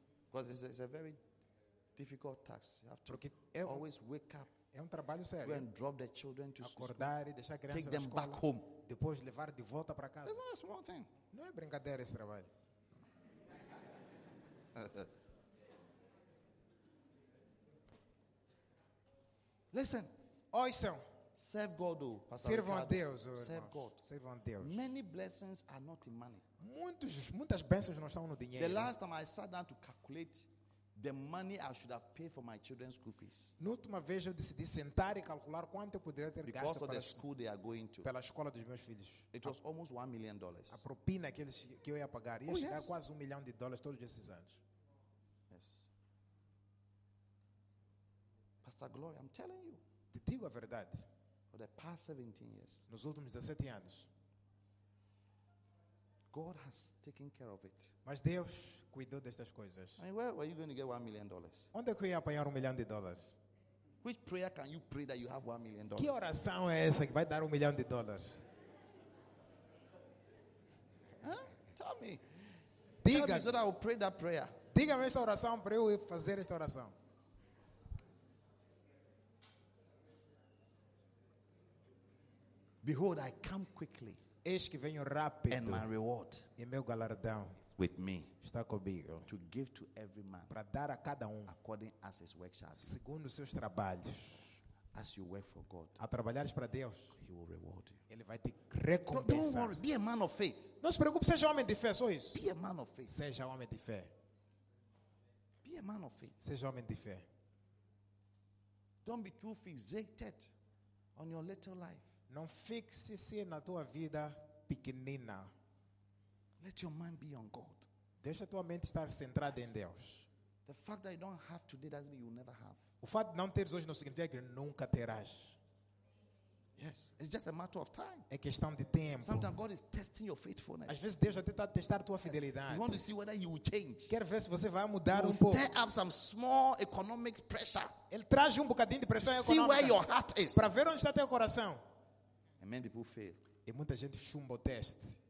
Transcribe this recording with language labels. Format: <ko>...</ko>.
<en>Because it's a very difficult task. You have to always wake up.</en> <pt>É trabalho sério.</pt> <en>Go and drop the children to</en> <pt>acordar</pt> <en>school.</en> <pt>E deixar a criança</pt> <en>take them</en> <pt>na escola,</pt> <en>back home.</en> <pt>Depois levar de volta para casa.</pt> <en>It's not a small thing.</en> <pt>Não é brincadeira esse trabalho.</pt> <en>Listen.</en> <pt>Ouçam.</pt> <en>Serve God, oh, Pastor.</en> <pt>Sirvam a Deus, oh,</pt> <en>serve God.</en> <pt>Sirvam a Deus.</pt> <en>Many blessings are not in money.</en> <pt>Muitas bênçãos não estão no dinheiro.</pt> <en>The last time I sat down to calculate the money I should have paid for my children's school fees.</en> <pt>Na última vez eu decidi sentar e calcular quanto eu poderia ter</pt> <en>because</en> <pt>gasto</pt> <en>of the school they are going to.</en> <pt>Pela escola dos meus filhos.</pt> <en>It was almost $1 million.</en> <pt>A propina que eles que eu ia pagar ia chegar quase $1 million todos esses anos.</pt> <en>Yes. Pastor Glory, I'm telling you.</en> <pt>Te digo a verdade.</pt> <en>For the past 17 years.</en> <pt>Nos últimos 17 anos.</pt> <en>God has taken care of it.</en> <pt>Mas Deus cuidou destas coisas.</pt> <en>I mean, where are you going to get $1 million?</en> <pt>Onde é que eu ia apanhar $1 million?</pt> <en>Which prayer can you pray that you have $1 million?</en> <pt>Que oração é essa que vai dar $1 million?</pt> <en>Huh? Tell me.</en> <pt>Diga.</pt> <en>Tell me so that I will pray that prayer.</en> <pt>Diga-me esta oração para eu fazer esta oração.</pt> <en>Behold, I come quickly.</en> <pt>Eis que venho rápido.</pt> <en>And my reward.</en> <pt>E meu galardão.</pt> <en>With me.</en> <pt>Está comigo.</pt> <en>To give to every man.</en> <pt>Para dar a cada</pt> <en>according as his work shall be.</en> <pt>Segundo os seus trabalhos.</pt> <en>As you work for God.</en> <pt>A trabalhares para Deus.</pt> <en>He will reward you.</en> <pt>Ele vai te recompensar.</pt> <en>Don't worry. Be a man of faith.</en> <pt>Não se preocupe, seja homem de fé, só isso.</pt> <en>Be a man of faith.</en> <pt>Seja homem de fé.</pt> <en>Be a man of faith.</en> <pt>Seja homem de fé.</pt> <en>Don't be too fixated on your little life.</en> <pt>Não fixe-se na tua vida pequenina.</pt> <en>Let your mind be on God.</en> <pt>Deixa tua mente estar centrada em Deus.</pt> <en>The fact that you don't have today doesn't mean you never have.</en> <pt>O fato de não teres hoje não significa que nunca terás.</pt> <en>Yes, it's just a matter of time.</en> <pt>É questão de tempo.</pt> <en>Sometimes God is testing your faithfulness.</en> <pt>Às vezes Deus já tenta testar tua fidelidade.</pt> <en>You want to see whether you will change.</en> <pt>Quer ver se você vai mudar</pt> <en>you</en> <pt>um pouco.</pt> <en>Stir up some small economic pressure.</en> <pt>Ele traz um bocadinho de pressão</pt> <en>see</en> <pt>econômica.</pt> <en>See where your heart is.</en> <pt>Para ver onde está teu coração.</pt> <en>And many people fail.</en> <pt>E muita gente chumba o teste.</pt>